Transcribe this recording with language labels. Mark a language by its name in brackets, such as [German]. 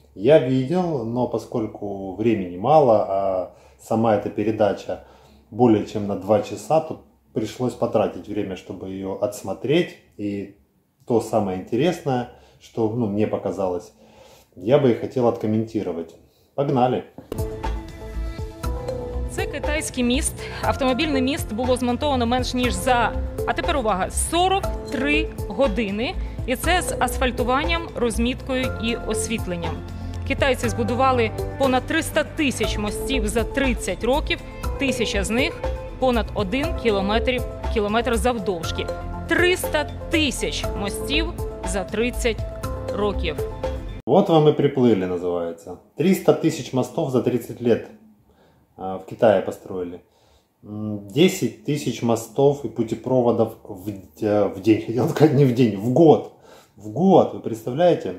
[Russian] Я видел, но поскольку времени мало, а сама эта передача более чем на 2 часа, то пришлось потратить время, чтобы ее отсмотреть. И то самое интересное, что мне показалось, я бы и хотел откомментировать. Погнали! [Ukrainian] Це китайський міст. Автомобільний міст було змонтовано менш ніж за, а тепер увага, 43 години. І це з асфальтуванням, розміткою і освітленням. Китайці збудували понад 300 тисяч мостів за 30 років, 1000 з них понад 1 кілометр завдовжки. 300 тисяч мостів за 30 років. [Russian] Вот вам и приплыли, называется. 300 тисяч мостов за 30 лет в Китае построили. 10 тисяч мостов и путепроводов в день. Хотел сказать, не в день, в год. В год, вы представляете?